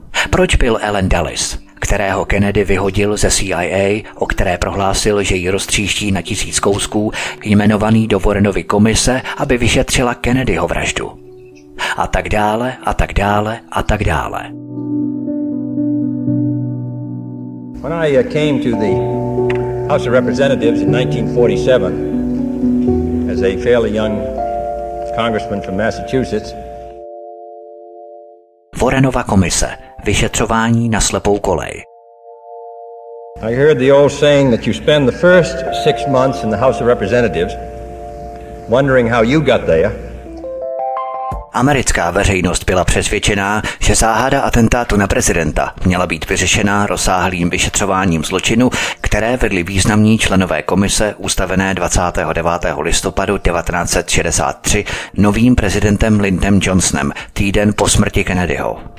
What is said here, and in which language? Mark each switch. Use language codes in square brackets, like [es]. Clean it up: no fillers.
[cs] Proč byl Ellen Dulles, kterého Kennedy vyhodil ze CIA, o které prohlásil, že ji roztříští na 1000 kousků, jmenovaný do Warrenovy komise, aby vyšetřila Kennedyho vraždu? A tak dále, a tak dále, a tak dále. [en] When I came to the House of Representatives in 1947 as a fairly young congressman from Massachusetts. [cs] Warrenova komise, vyšetřování na slepou kolej. [en] I heard the old saying that you spend the first 6 months in the House of Representatives wondering how you got there. [cs] Americká veřejnost byla přesvědčená, že záhada atentátu na prezidenta měla být vyřešena rozsáhlým vyšetřováním zločinu, které vedli významní členové komise ustavené 29. listopadu 1963 novým prezidentem Lyndonem Johnsonem týden po smrti Kennedyho.